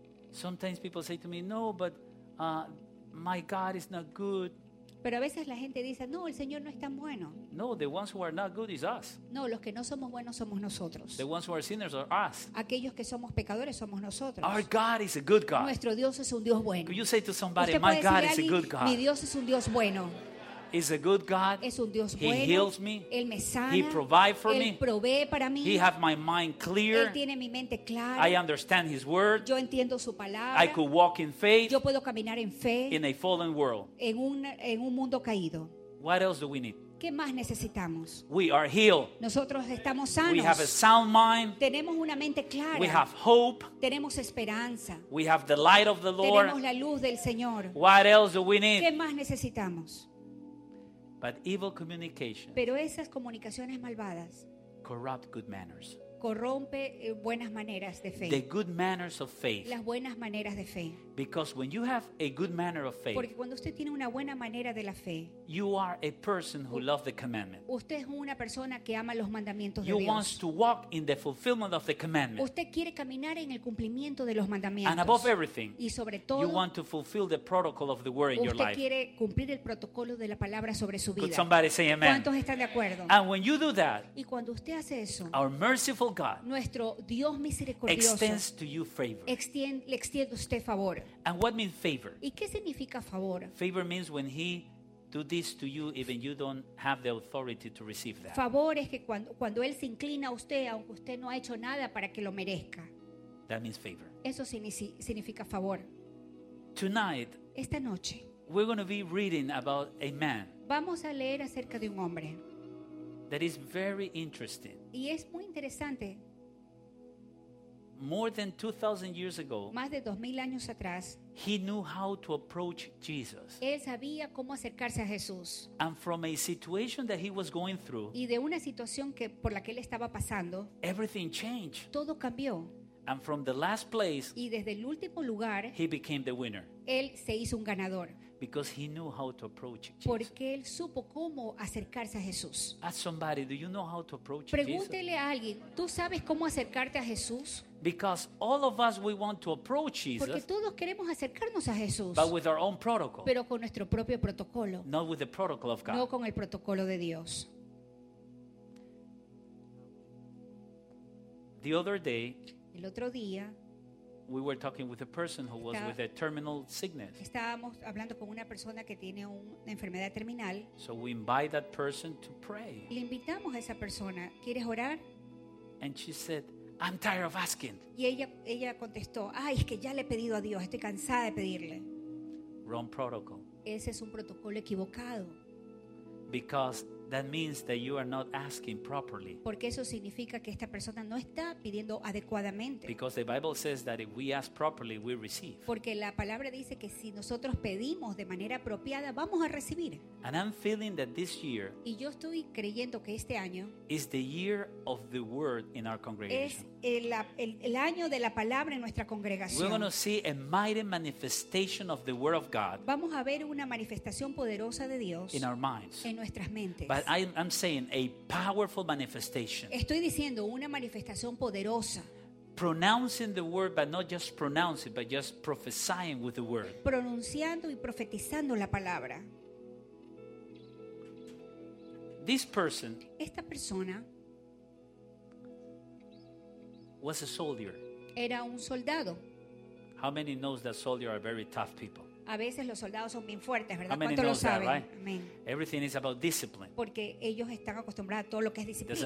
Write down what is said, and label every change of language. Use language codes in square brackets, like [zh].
[en] Sometimes people say to me, "No, but my God is not good." [es] Pero a veces la gente dice, "No, el Señor no es tan bueno." [en] No, the ones who are not good is us. [es] No, los que no somos buenos somos nosotros. [en] The ones who are sinners are us. [es] Aquellos que somos pecadores somos nosotros. [en] Our God is a good God. [es] Nuestro Dios es un Dios bueno. [en] Could you say to somebody, "My God is a good God"? [es] Mi Dios es un Dios bueno. [en] Is a good God. [es] Es un Dios bueno. [en] He heals me. [es] Él me sana. [en] He provides for me. [es] Él provee para mí. [en] He has my mind clear. [es] Él tiene mi mente clara. [en] I understand his word. [es] Yo entiendo su palabra. [en] I could walk in faith. [es] Yo puedo caminar en fe. [en] In a fallen world. [es] En un mundo caído. [en] What else do we need? [es] ¿Qué más necesitamos? [en] We are healed. [es] Nosotros estamos sanos. [en] We have a sound mind. [es] Tenemos una mente clara. [en] We have hope. [es] Tenemos esperanza. [en] We have the light of the Lord. [es] Tenemos la luz del Señor. [en] What else do we need? [es] ¿Qué más necesitamos? [en] But evil communications, [es] pero esas comunicaciones malvadas, [en] corrupt good manners, [es] corrompe buenas maneras de fe. [en] The good manners of faith, [es] las buenas maneras de fe. [en] Because when you have a good manner of faith, [es] porque cuando usted tiene una buena manera de la fe, [en] you are a person who loves the commandment. [es] Usted es una persona que ama los mandamientos de [en] you [es] Dios. [en] You wants to walk in the fulfillment of the commandment. [es] Usted quiere caminar en el cumplimiento de los mandamientos. [en] And above everything, [es] y sobre todo, [en] you want to fulfill the protocol of the word in your life. [es] Usted quiere cumplir el protocolo de la palabra sobre su vida. [en] Could somebody say amen? [es] ¿Cuántos están de acuerdo? [en] And when you do that, [es] y cuando usted hace eso, [en] our merciful God, [es] nuestro Dios misericordioso, [en] extends to you favor. [es] Extiende usted favor. [en] And what means favor? [es] ¿Y qué significa favor? [en] Favor means when he do this to you, even you don't have the authority to receive that. [es] Favor es que cuando él se inclina a usted, aunque usted no ha hecho nada para que lo merezca. [en] That means favor. [es] Eso significa favor. [en] Tonight, [es] esta noche, [en] we're going to be reading about a man. [es] Vamos a leer acerca de un hombre. [en] That is very interesting. [es] Y es muy interesante. [en] More than 2,000 years ago, [es] más de 2,000 años atrás, [en] he knew how to approach Jesus. [es] Él sabía cómo acercarse a Jesús. [en] And from a situation that he was going through, [es] y de una situación que por la que él estaba pasando, [en] everything changed. [es] Todo cambió. [en] And from the last place, [es] y desde el último lugar, [en] he became the winner. [es] Él se hizo un ganador. [en] Because he knew how to approach Jesus. [es] Porque él supo cómo acercarse a Jesús. [en] Ask somebody, do you know how to approach [es] Pregúntele [en] Jesus? [es] A alguien, ¿tú sabes cómo acercarte a Jesús? [en] Because all of us we want to approach Jesus. [es] Porque todos queremos acercarnos a Jesús. [en] But with our own protocol. [es] Pero con nuestro propio protocolo. [en] Not with the protocol of God. [es] No con el protocolo de Dios. [en] The other day, [es] el otro día, [en] we were talking with a person who was with a terminal sickness. [es] Estábamos hablando con una persona que tiene una enfermedad terminal. [en] So we invite that person to pray. [es] Le invitamos a esa persona. ¿Quieres orar? [en] And she said, I'm tired of asking. [es] Y ella contestó, ay, es que ya le he pedido a Dios. Estoy cansada de pedirle. [en] Wrong protocol. [es] Ese es un protocolo equivocado. [en] Because that means that you are not asking properly. [es] Porque eso significa que esta persona no está pidiendo adecuadamente. [en] Because the Bible says that if we ask properly, we receive. [es] Porque la palabra dice que si nosotros pedimos de manera apropiada, vamos a recibir. [en] And I'm feeling that this year, [es] y yo estoy creyendo que este año, [en] is the year of the word in our congregation. [es] Es el año de la palabra en nuestra congregación. [en] We're going to see a mighty manifestation of the word of God. [es] Vamos a ver una manifestación poderosa de Dios [en] in our minds. [es] En nuestras mentes. [en] But I'm saying a powerful manifestation. [es] Estoy diciendo una manifestación poderosa. [en] Pronouncing the word, but not just pronouncing, but just prophesying with the word. [es] Pronunciando y profetizando la palabra. [en] This person, [es] esta persona, [en] was a soldier. [es] Era un soldado. [en] How many knows that soldiers are very tough people? [es] A veces los soldados son bien fuertes, ¿verdad? ¿Cuánto lo saben? [en] That, right? Everything is about discipline. [es] Porque ellos están acostumbrados a todo lo que es disciplina.